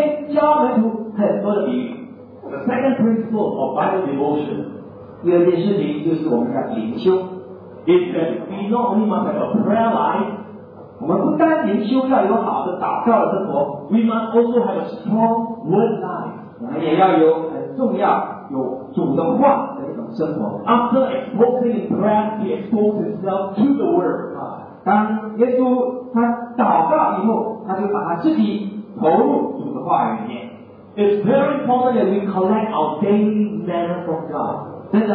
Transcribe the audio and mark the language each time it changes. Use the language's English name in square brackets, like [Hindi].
[Chinese] 我们看到在早上，耶稣就在海边教门徒很多的比喻。 [English] The second principle of Bible devotion. [Chinese] 第二件事情就是我们要灵修。 [English] Is that we not only must have a prayer life. [Chinese] 我们不单灵修要有好的祷告的生活。 [English] We must also have a strong word life. [Chinese] 我们也要有很重要。有主的话的一种生活 [English] After exposing in prayer, he exposed himself to the word. [Chinese] 当耶稣他祷告以后，他就把他自己投入主的话语里面。 [English] It's very important that we collect our daily manna from God.